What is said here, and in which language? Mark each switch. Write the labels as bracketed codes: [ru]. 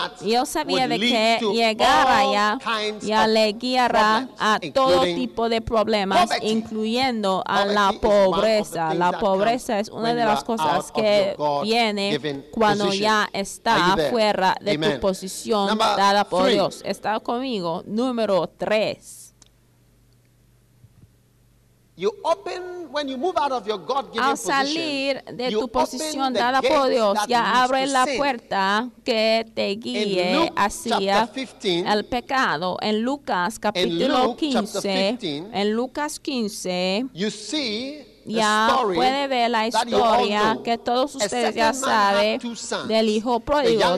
[es] Yo sabía de que llegar allá ya le guiará a todo tipo de problemas, incluyendo a la pobreza. La pobreza es una de las cosas que viene cuando ya está fuera de tu posición dada por Dios. Está conmigo. Número 3. [en] You open when you move out of your God-given position. [es] Al salir de tu posición dada por Dios, ya abre la puerta que te guíe hacia el pecado. En Lucas capítulo 15, en Lucas 15, [en] you see [es] ya puede ver la historia que todos ustedes ya saben del hijo pródigo.